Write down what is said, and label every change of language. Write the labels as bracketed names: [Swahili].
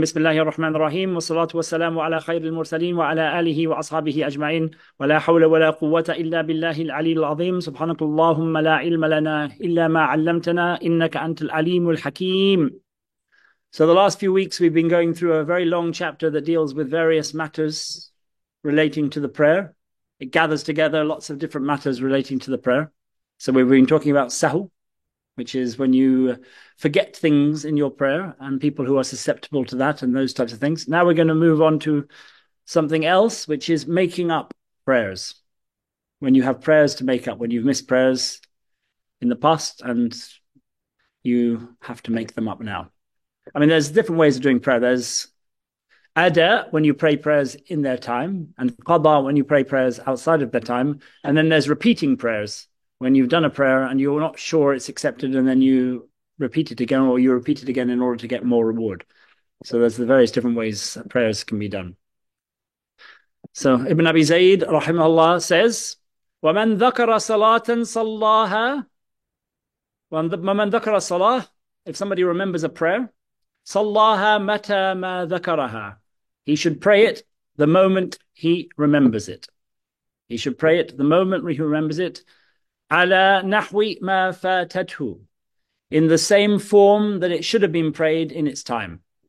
[Arabic] بسم الله الرحمن الرحيم، والصلاة والسلام على خير المرسلين وعلى آله وأصحابه أجمعين. ولا حول ولا قوة إلا بالله العلي العظيم. سبحانك اللهم لا علم لنا إلا ما علمتنا إنك أنت العليم الحكيم. [English] So the last few weeks we've been going through a very long chapter that deals with various matters relating to the prayer. It gathers together lots of different matters relating to the prayer. So we've been talking about sahu, which is when you forget things in your prayer, and people who are susceptible to that and those types of things. Now we're going to move on to something else, which is making up prayers. When you have prayers to make up, when you've missed prayers in the past and you have to make them up now. I mean, there's different ways of doing prayer. There's ada, when you pray prayers in their time, and qada, when you pray prayers outside of their time. And then there's repeating prayers, when you've done a prayer and you're not sure it's accepted, and then you repeat it again, or you repeat it again in order to get more reward. So there's the various different ways prayers can be done. So Ibn Abi Zayd, rahimahullah, says, [Arabic] وَمَنْ ذَكَرَ صَلَاةً صَلَّاهَا وَمَنْ ذَكَرَ صَلَاةً. [English] If somebody remembers a prayer, [Arabic] صَلَّاهَا مَتَى مَا ذَكَرَهَا, [English] he should pray it the moment he remembers it. He should pray it the moment he remembers it. [Arabic] عَلَى نَحْوِ مَا فَاتَتْهُ, [English] in the same form that it should have been prayed in its time.